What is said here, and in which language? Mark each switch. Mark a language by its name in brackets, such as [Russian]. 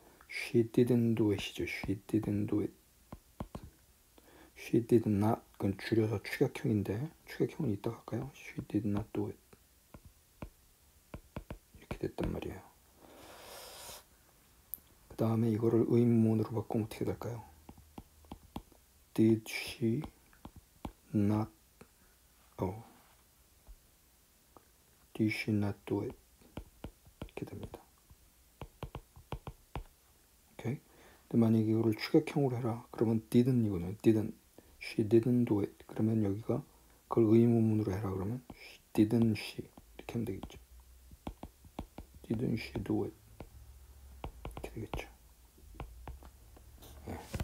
[English] she didn't do it이죠. she didn't do it. she did not. [Korean] 그건 줄여서 추격형인데 추격형은 이따 할까요? [English] she did not do it. [Korean] 이렇게 됐단 말이에요. 그 다음에 이거를 의문문으로 바꾸면 어떻게 될까요? [English] did she not Did she not do it? [Korean] 이렇게 됩니다. 오케이. 근데 만약에 이거를 추격형으로 해라. 그러면 [English] didn't [Korean] 이거는 [English] didn't. She didn't do it. [Korean] 그러면 여기가 그걸 의문문으로 해라. 그러면 [English] she didn't she [Korean] 이렇게 하면 되겠죠. [English] Didn't she do it? [Korean] 이렇게 되겠죠. 네.